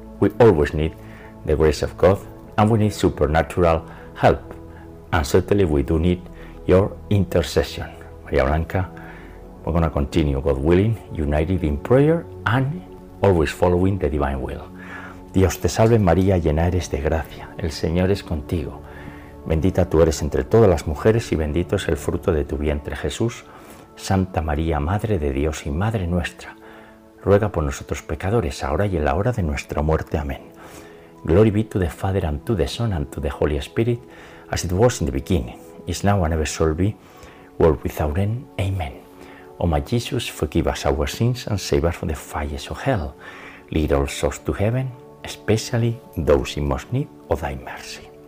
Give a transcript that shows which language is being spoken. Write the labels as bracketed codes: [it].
[en] We always need the grace of God, and we need supernatural help. And certainly we do need your intercession. Maria Blanca, we're going to continue, God willing, united in prayer and always following the divine will. [es] Dios te salve, María, llena eres de gracia. El Señor es contigo. Bendita tú eres entre todas las mujeres y bendito es el fruto de tu vientre, Jesús. Santa María, Madre de Dios y Madre nuestra, ruega por nosotros pecadores, ahora y en la hora de nuestra muerte. Amén. [en] Glory be to the Father, and to the Son, and to the Holy Spirit, as it was in the beginning, is now, and ever shall be, world without end. Amen. O my Jesus, forgive us our sins, and save us from the fires of hell. Lead all souls to heaven, especially those in most need of thy mercy.